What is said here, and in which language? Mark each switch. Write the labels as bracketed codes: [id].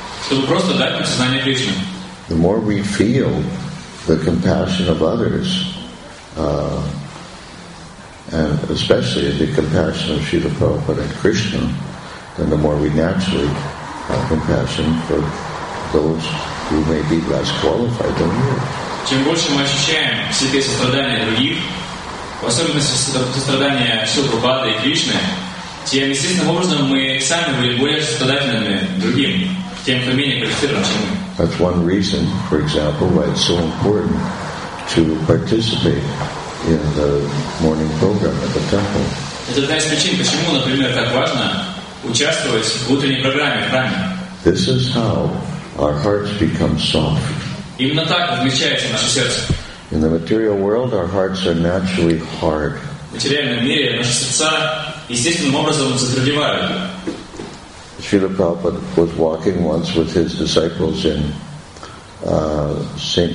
[en] The more we feel the compassion of others, and especially the compassion of Srila Prabhupada and Krishna, then the more we naturally have compassion for those who may be less qualified than we are. [ru] Чем больше мы ощущаем в себе сострадание других, в особенности сострадание Шилопады и Кришны, тем естественным образом мы сами будем более сострадательными другим, тем, кто менее квалифицирован, чем мы. [en] That's one reason, for example, why it's so important to participate in the morning program at the temple. [ru] Это одна из причин, почему, например, так важно участвовать в утренней программе в храме. [en] This is how our hearts become soft. [ru] Именно так возмещается наше сердце. [en] In the material world, our hearts are naturally hard. [ru] В материальном мире наши сердца естественным образом затвердевают. [en] Srila Prabhupada was walking once with his disciples in St.